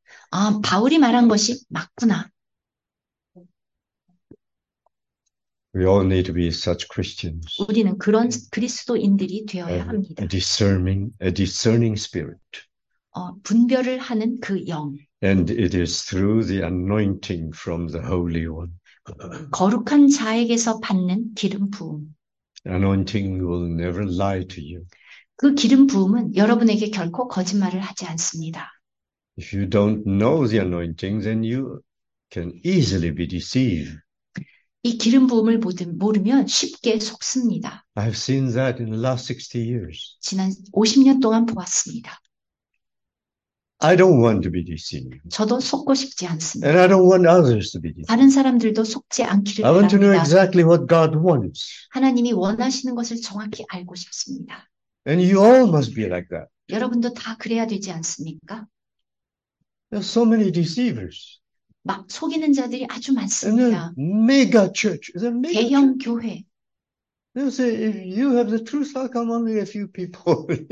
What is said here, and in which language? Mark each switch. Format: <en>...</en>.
<ko>아, 바울이 말한 것이 맞구나.</ko> <en>We all need to be such Christians.</en> <ko>우리는 그런 그리스도인들이 되어야</ko> <en>And</en> <ko>합니다.</ko> <en>a discerning spirit.</en> <ko>분별을 하는 그 영.</ko> <en>And it is through the anointing from the Holy One.</en> <ko>거룩한 자에게서 받는 기름 부음.</ko> <en>Anointing will never lie to you.</en> <ko>그 기름 부음은 여러분에게 결코 거짓말을 하지 않습니다.</ko> <en>If you don't know the anointing, then you can easily be deceived.</en> <ko>이 기름 부음을 모르면 쉽게 속습니다.</ko> <en>I've seen that in the last 60 years.</en> <ko>지난 50년 동안 보았습니다.</ko> <en>I don't want to be deceived.</en> <ko>저도 속고 싶지</ko> <en>And</en> <ko>않습니다.</ko> <en>I don't want others to be deceived.</en> <ko>다른 사람들도 속지 않기를</ko> <en>I want to know</en> <ko>바랍니다.</ko> <en>exactly what God wants.</en> <ko>하나님이 원하시는 것을 정확히 알고 싶습니다.</ko> <en>And you all must be like that.</en> <ko>여러분도 다 그래야 되지 않습니까?</ko> <en>There are so many deceivers.</en> <ko>막 속이는 자들이 아주</ko> <en>And they're</en> <ko>많습니다.</ko> <en>mega church. They're mega</en> <ko>대형</ko> <en>church.</en> <ko>교회.</ko> <en>They'll say, if you have the truth, I'll come only a few people.</en>